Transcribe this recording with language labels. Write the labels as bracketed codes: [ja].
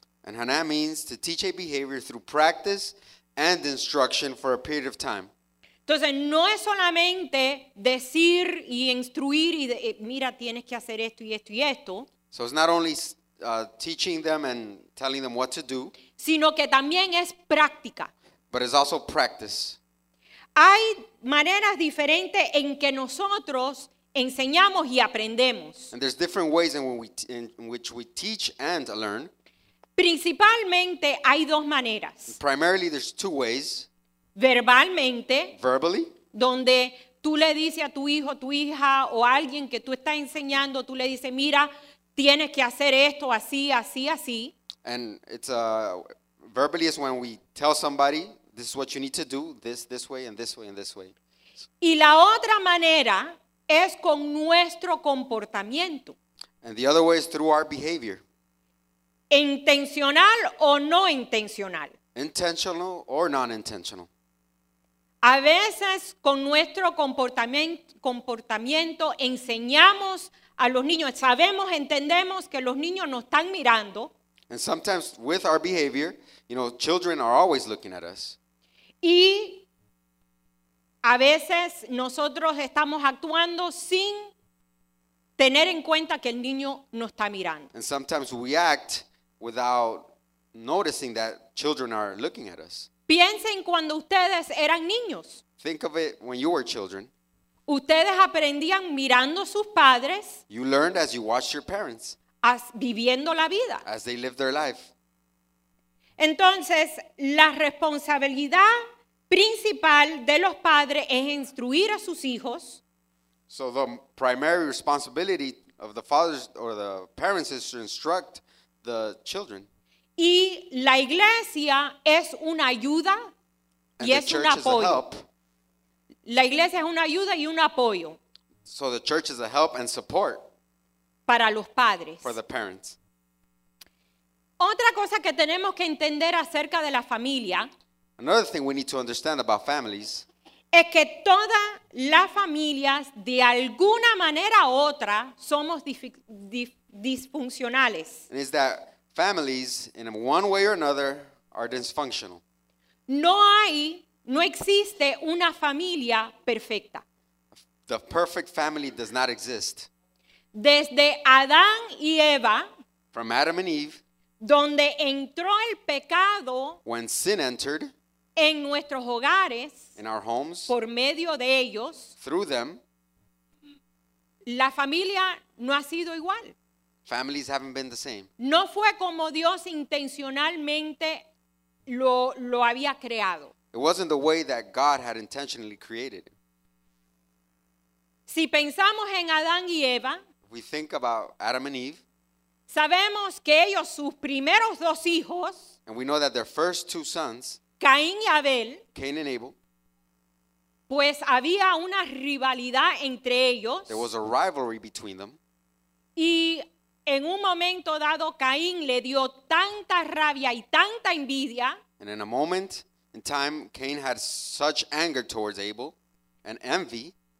[en] And Haná means to teach a behavior through practice and instruction for a period of time. [es] Entonces, no es solamente decir y instruir y mira, tienes que hacer esto y esto y esto. [en] So it's not only teaching them and telling them what to do. [es] Sino que también es práctica. [en] But it's also practice. [es] Hay maneras diferentes en que nosotros enseñamos y aprendemos. [en] And there's different ways in which we teach and learn. [es] Principalmente hay dos maneras. [en] Primarily there's two ways. [es] Verbalmente. [en] Verbally. [es] Donde tú le dices a tu hijo, tu hija o alguien que tú estás enseñando, tú le dices, mira, tienes que hacer esto así, así, así. [en] And it's verbally is when we tell somebody, this is what you need to do, this way and this way and this way. [es] Y la otra manera es con nuestro comportamiento. [en] And the other way is through our behavior. [es] Intencional o no intencional. [en] Intentional or non-intentional. [es] A veces con nuestro comportamiento enseñamos a los niños. Sabemos, entendemos que los niños nos están mirando. [en] And sometimes with our behavior, you know, children are always looking at us. [es] Y a veces nosotros estamos actuando sin tener en cuenta que el niño nos está mirando. [en] And sometimes we act without noticing that children are looking at us. [es] Piensen cuando ustedes eran niños. [en] Think of it when you were children. [es] Ustedes aprendían mirando sus padres. [en] You learned as you watched your parents. [es] As viviendo la vida. [en] As they lived their life. [es] Entonces, la responsabilidad principal de los padres es instruir a sus hijos. [en] So the primary responsibility of the fathers or the parents is to instruct the children. [es] Y la iglesia es una ayuda [en] and [es] y es un apoyo. La iglesia es una ayuda y un apoyo. [en] So the church is a help and support. [es] Para los padres. [en] For the parents. [es] Otra cosa que tenemos que entender acerca de la familia. [en] Another thing we need to understand about families. [es] Es que todas las familias de alguna manera u otra somos disfuncionales. [en] And is that families, in one way or another, are dysfunctional. [es] No existe una familia perfecta. [en] The perfect family does not exist. [es] Desde Adán y Eva. [en] From Adam and Eve. [es] Donde entró el pecado. [en] When sin entered. [es] En nuestros hogares. [en] In our homes. [es] Por medio de ellos. [en] Through them. [es] La familia no ha sido igual. [en] Families haven't been the same. [es] No fue como Dios intencionalmente lo había creado. [en] It wasn't the way that God had intentionally created it. [es] Si pensamos en Adán y Eva, [en] we think about Adam and Eve. [es] Sabemos que ellos, sus primeros dos hijos, [en] and we know that their first two sons, [es] Caín y Abel, [en] Cain and Abel, [es] pues había una rivalidad entre ellos. [en] There was a rivalry between them. [es] Y en un momento dado, Caín le dio tanta rabia y tanta envidia. [en] And in a moment in time, Cain had such anger towards Abel and envy.